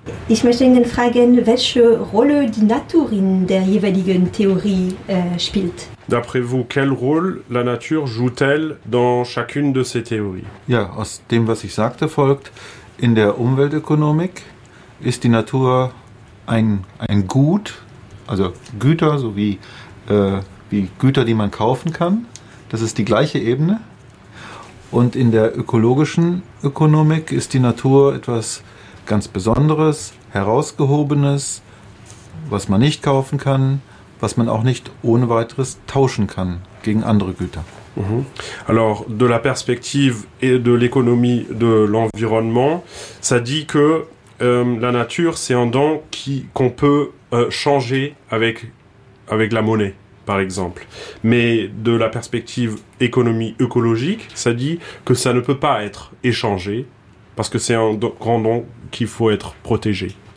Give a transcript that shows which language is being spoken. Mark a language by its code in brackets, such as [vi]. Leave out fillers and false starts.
[de] Ich möchte Ihnen fragen, welche Rolle die Natur in der jeweiligen Theorie spielt. [fr] D'après vous, quel rôle la nature joue-t-elle dans chacune de ces théories? [de] Ja, aus dem, was ich sagte, folgt, in der Umweltökonomik ist die Natur ein Gut, also Güter, so wie Güter, die man kaufen kann. Das ist die gleiche Ebene. Und in der ökologischen Ökonomik ist die Natur etwas ganz Besonderes, Herausgehobenes, was man nicht kaufen kann, was man auch nicht ohne weiteres tauschen kann gegen andere Güter. Mhm. [fr] Alors, de la perspective et de l'économie de l'environnement, ça dit que la nature, c'est un don qu'on peut changer avec la monnaie, par exemple. Mais de la perspective économie écologique, ça dit que ça ne peut pas être échangé, parce que c'est un grand don qu'il faut être protégé.